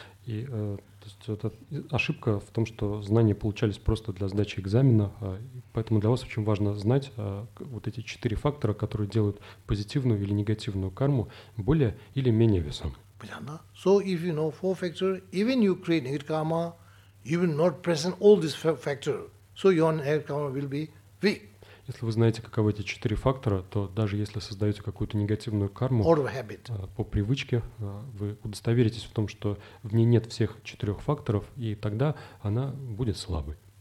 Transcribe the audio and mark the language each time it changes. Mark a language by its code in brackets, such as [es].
[ru] И то есть это ошибка в том, что знания получались просто для сдачи экзамена, поэтому для вас очень важно знать вот эти четыре фактора, которые делают позитивную или негативную карму более или менее весомой. Понятно. [en] So if you know four factors, even you create negative karma, you will not present all these factors. So your negative karma will be weak. [ru] Если вы знаете, каковы эти четыре фактора, то даже если создаете какую-то негативную карму по привычке, вы удостоверитесь в том, что в ней нет всех четырех факторов, и тогда она будет слабой.